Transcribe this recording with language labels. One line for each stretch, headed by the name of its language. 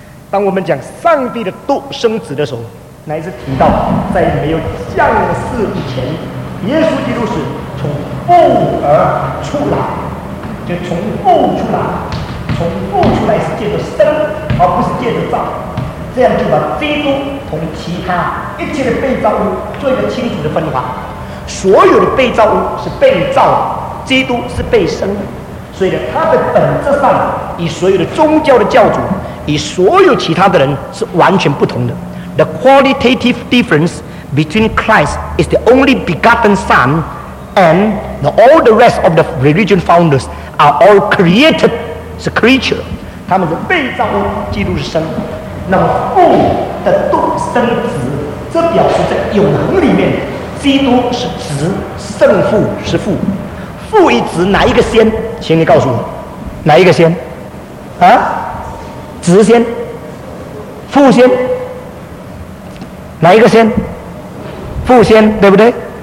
Chinese: 当我们讲上帝的独生子的时候，乃是提到在没有降世以前，耶稣基督是从父而出来，就从父出来，从父出来是借着生而不是借着造，这样就把基督同其他一切的被造物做一个清楚的分化。所有的被造物是被造，基督是被生，所以呢，他的本质上与所有的宗教的教主与所有其他的人是完全不同的。
English: The qualitative difference between Christ is the only begotten Son and all the rest of the religion founders are all created as a creature，
Chinese: 他们是被造物，基督是生。那么父的独生子，这表示在永恒里面，基督是子，圣父是父。父与子哪一个先？请你告诉我，哪一个先？啊？子先？父先？哪一个先？父先，对不对？